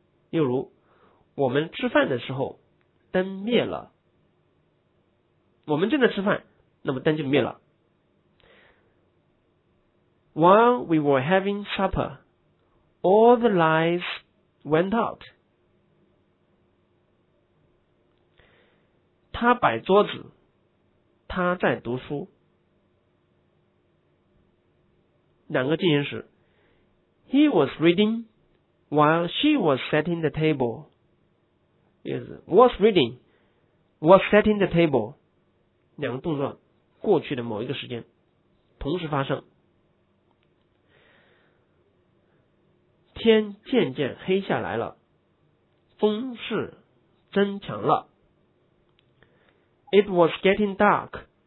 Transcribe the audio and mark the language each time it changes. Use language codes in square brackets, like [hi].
[zh] 又如我们吃饭的时候灯灭了，我们正在吃饭，那么灯就灭了。 [en] While we were having supper, all the lights went out. [zh] 他摆桌子，他在读书。 [en] 两个进行时，He was reading while she was setting the table. Yes, was reading, was setting the table. [zh] 两个动作过去的某一个时间同时发生。天渐渐黑下来了，风势增强了。 [en] It was getting dark.